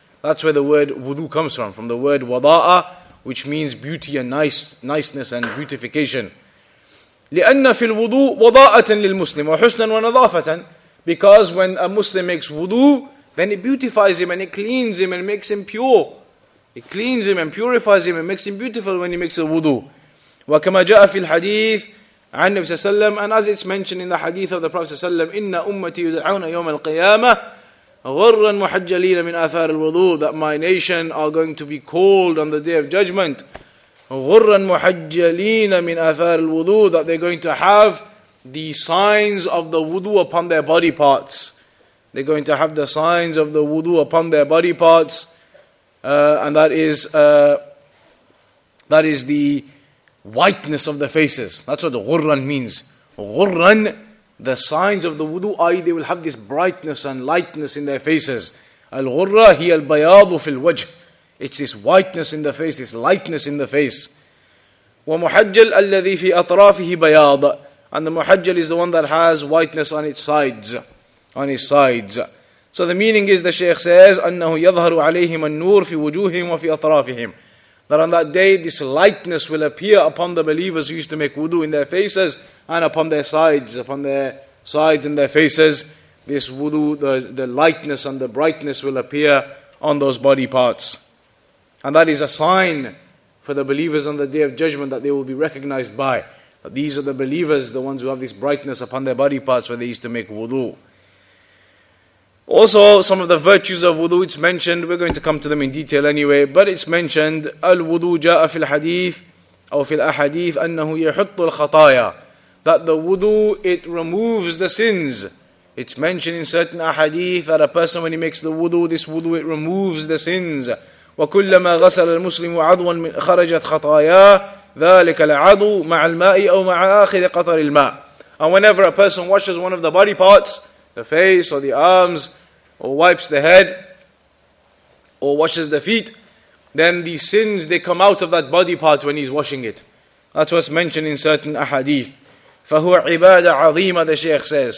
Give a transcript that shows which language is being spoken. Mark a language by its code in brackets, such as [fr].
[en] That's where the word wudu comes from the word wada'a, which means beauty and niceness and beautification. [ar] لِأَنَّ فِي الْوُضُوء وَضَاءَةً لِلْمُسْلِمِ وَحُسْنًا وَنَظَافَةً. [en] Because when a Muslim makes wudu, then it beautifies him and it cleans him and makes him pure. It cleans him and purifies him and makes him beautiful when he makes a wudu. [ar] وَكَمَا جَاءَ فِي الْحَدِيثِ عَنْ نَبِي صَلَّى اللَّهُ عَلَيْهِ. [en] And as it's mentioned in the hadith of the Prophet [ar] صلى الله عليه وسلم, إِنَّ أُمَّتِي يُدْعَوْنَ يَوْمَ الْقِيَامَةِ غُرًّا مُحَجَّلِينَ مِنْ آثَارِ الْوُضُوءِ. [en] That my nation are going to be called on the day of judgment, [ar] غُرًّا مُحَجَّلِينَ مِنْ أَثَارِ الْوُضُوءِ, [en] that they're going to have the signs of the wudu upon their body parts. They're going to have the signs of the wudu upon their body parts. And that is the whiteness of the faces. That's what غُرًّا means. غُرًّا, the signs of the wudu, i.e. they will have this brightness and lightness in their faces. [ar] الْغُرَّ هِيَ الْبَيَاضُ فِي الْوَجْهِ. [en] It's this whiteness in the face, this lightness in the face. [ar] ومحجل الذي في أطرافه بياض. [en] And the محجل is the one that has whiteness on its sides. On his sides. So the meaning is, the Shaykh says, [ar] أنه يظهر عليهم النور في وجوههم وفي أطرافهم. [en] That on that day, this lightness will appear upon the believers who used to make wudu in their faces and upon their sides. Upon their sides and their faces, this wudu, the lightness and the brightness will appear on those body parts. And that is a sign for the believers on the Day of Judgment that they will be recognized by. But these are the believers, the ones who have this brightness upon their body parts where they used to make wudu. Also, some of the virtues of wudu, it's mentioned. We're going to come to them in detail anyway. But it's mentioned, [ar] الوضو جاء في الحديث أو في الأحاديث أنه يحط الخطايا. [en] That the wudu, it removes the sins. It's mentioned in certain ahadith that a person, when he makes the wudu, this wudu, it removes the sins. [ar] وكلما غسل المسلم عضوا من خرجت خطاياه ذلك العضو مع الماء او مع اخر قطر الماء. [en] And whenever a person washes one of the body parts, the face or the arms, or wipes the head, or washes the feet, then the sins, they come out of that body part when he's washing it. That's what's mentioned in certain ahadith. [ar] فَهُوَ عِبَادَ عَظِيمًا, [en] the Shaykh says.